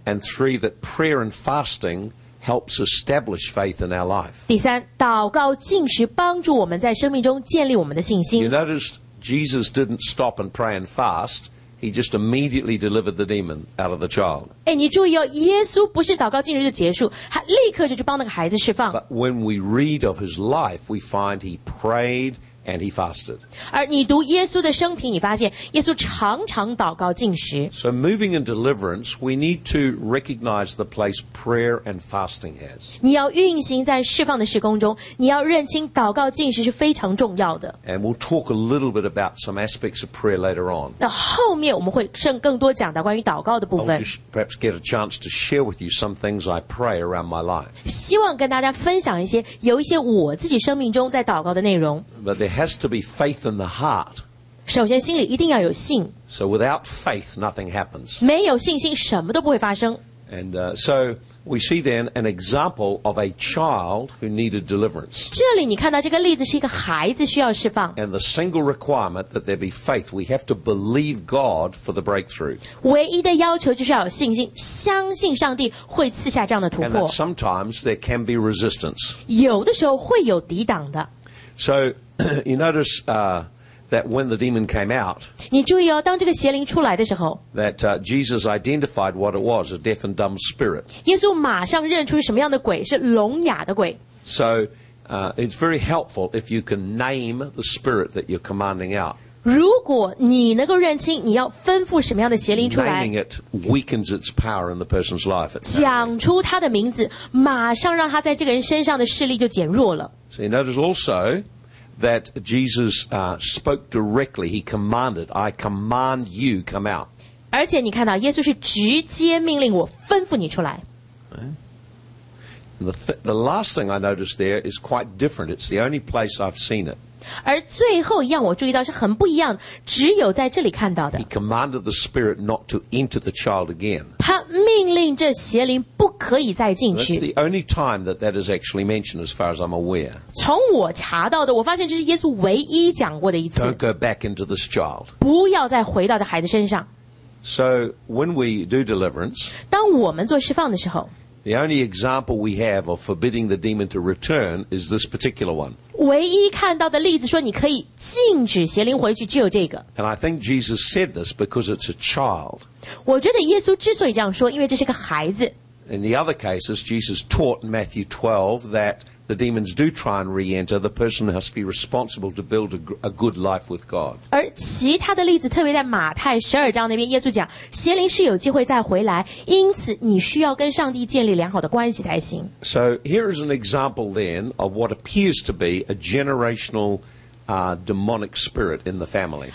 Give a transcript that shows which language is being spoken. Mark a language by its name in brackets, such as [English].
[English] And three, that prayer and fasting helps establish faith in our life. [Chinese] 第三，祷告禁食帮助我们在生命中建立我们的信心。 [English] You noticed Jesus didn't stop and pray and fast. He just immediately delivered the demon out of the child. [Chinese] 哎，你注意哦，耶稣不是祷告禁食就结束，他立刻就去帮那个孩子释放。 [English] But when we read of his life, we find he prayed. And he fasted. [Chinese] 而你读耶稣的生平，你发现耶稣常常祷告禁食。 [English] So moving in deliverance, we need to recognize the place prayer and fasting has. [Chinese] 你要运行在释放的事工中，你要认清祷告禁食是非常重要的。 [English] And we'll talk a little bit about some aspects of prayer later on. [Chinese] 那后面我们会剩更多讲到关于祷告的部分。 [English] I'll just perhaps get a chance to share with you some things I pray around my life. [Chinese] 希望跟大家分享一些有一些我自己生命中在祷告的内容。 [English] But there has to be faith in the heart. [Chinese] 首先心里一定要有信。 [English] So without faith, nothing happens. [Chinese] 没有信心什么都不会发生。 [English] And so we see then an example of a child who needed deliverance. [Chinese] 这里你看到这个例子是一个孩子需要释放。 [English] And the single requirement that there be faith, we have to believe God for the breakthrough. [Chinese] 唯一的要求就是要有信心，相信上帝会赐下这样的突破。 [English] And that sometimes there can be resistance. [Chinese] 有的时候会有抵挡的。 [English] So,You notice that when the demon came out, [Chinese] 你注意哦，当这个邪灵出来的时候 [English] that Jesus identified what it was, a deaf and dumb spirit. [Chinese] 耶稣马上认出什么样的鬼，是聋哑的鬼。 [English] So it's very helpful if you can name the spirit that you're commanding out. [Chinese] 如果你能够认清你要吩咐什么样的邪灵出来 [English] Naming it weakens its power in the person's life. [Chinese] 讲出他的名字，马上让他在这个人身上的势力就减弱了。 [English] So you notice also,That Jesus spoke directly. He commanded, "I command you, come out." [Chinese] 而且你看到耶稣是直接命令我吩咐你出来。 [English] The last thing I noticed there is quite different. It's the only place I've seen it. [Chinese] 而最后一样我注意到是很不一样，只有在这里看到的。 [English] He commanded the spirit not to enter the child again. [Chinese] 他命令这邪灵不可以再进去。 [English] That's the only time that that is actually mentioned, as far as I'm aware. [Chinese] 从我查到的，我发现这是耶稣唯一讲过的一次。 [English] Don't go back into this child. [Chinese] 不要再回到这孩子身上。 [English] So when we do deliverance, [Chinese] 当我们做释放的时候。 [English] The only example we have of forbidding the demon to return is this particular one. [Chinese] 唯一看到的例子说你可以禁止邪灵回去只有这个。 [English] And I think Jesus said this because it's a child. [Chinese] 我觉得耶稣之所以这样说因为这是个孩子。 [English] In the other cases, Jesus taught in Matthew 12 that the demons do try and re-enter, the person has to be responsible to build a good life with God. [Chinese] 而其他的例子特别在马太十二章那边耶稣讲邪灵是有机会再回来因此你需要跟上帝建立良好的关系才行。 [English] So here is an example then of what appears to be a generational demonic spirit in the family.